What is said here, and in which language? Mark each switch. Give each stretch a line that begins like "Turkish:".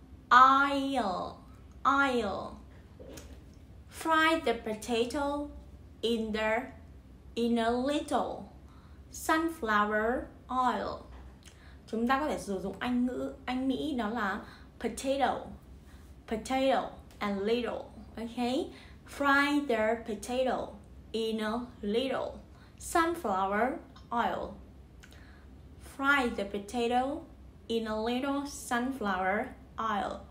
English: I'll fry the potato in a little sunflower oil.
Vietnamese: Chúng ta có thể sử dụng Anh Mỹ đó là
English: potato and little,
Vietnamese: okay?
English: Fry the potato in a little sunflower oil. Fry the potato in a little sunflower oil.